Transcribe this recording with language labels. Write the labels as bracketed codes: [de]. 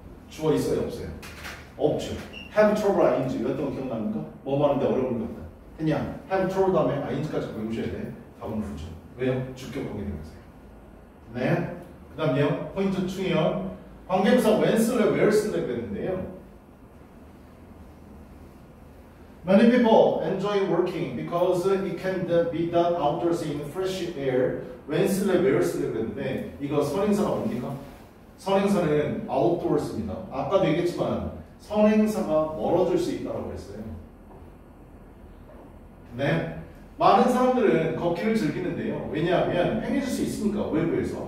[ko] 주어 있어요? 없어요? 없죠. [en] Have trouble, ing. [ko] 이랬던 거 기억납니까? 뭐 하는데 어려운 것 같다. 그냥 [en] Have trouble [ko] 다음에 ing까지 외우셔야 돼. 답은 후죠. 왜요? 주격 관계대명사예요. 네. 그 다음이요. 포인트 2이요. 관계대명사 when 쓸래? where 쓸래? 그랬는데요. [en] Many people enjoy working because it can be done outdoors in fresh air. [ko] When 쓸래? where 쓸래? 그랬는데 이거 선행사가 뭡니까? 선행사는 outdoors입니다. 아까도 얘기했지만 선행사가 멀어질 수 있다고 그랬어요. 네. 많은 사람들은 걷기를 즐기는데요. 왜냐하면 행해질 수 있으니까 외부에서.